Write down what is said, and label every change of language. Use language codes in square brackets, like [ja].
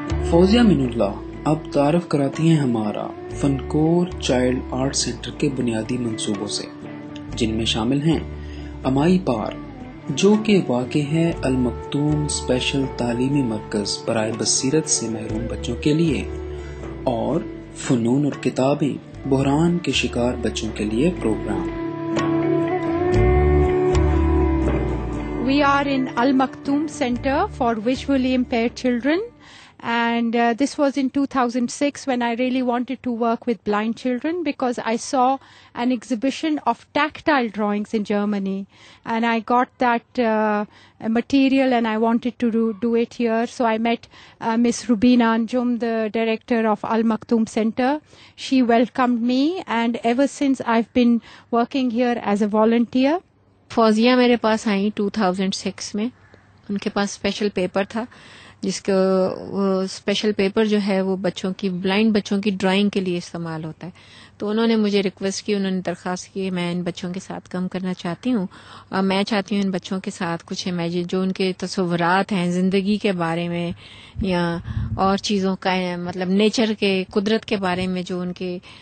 [ur] فوزیہ من اللہ اب تعارف کراتی ہیں ہمارا فنکور چائلڈ آرٹ سینٹر کے بنیادی منصوبوں سے, جن میں شامل ہیں امائی پارک جو کہ واقع ہے المکتوم اسپیشل تعلیمی مرکز برائے بصیرت سے محروم بچوں کے لیے, اور فنون اور کتابیں بحران کے شکار بچوں کے لیے programme. [en] We are in Al Maktoum centre for visually impaired children. And this was in 2006 when I really wanted to work with blind children, because I saw an exhibition of tactile drawings in Germany, and I got that material and I wanted to do it here. So I met Miss Rubina Anjum, the director of Al Maktoum Center. She welcomed me, and ever since I've been working here as a volunteer. [ur] Fauzia mere paas aayi 2006 mein, unke paas special paper tha جس کا وہ special paper جو ہے وہ بچوں کی blind بچوں کی ڈرائنگ کے لیے استعمال ہوتا ہے. تو انہوں نے مجھے ریکویسٹ کی, انہوں نے درخواست کی میں ان بچوں کے ساتھ کام کرنا چاہتی ہوں, اور میں چاہتی ہوں ان بچوں کے ساتھ کچھ امیجن جو ان کے تصورات ہیں زندگی کے بارے میں یا اور چیزوں کا, مطلب نیچر کے قدرت کے بارے میں جو ان کے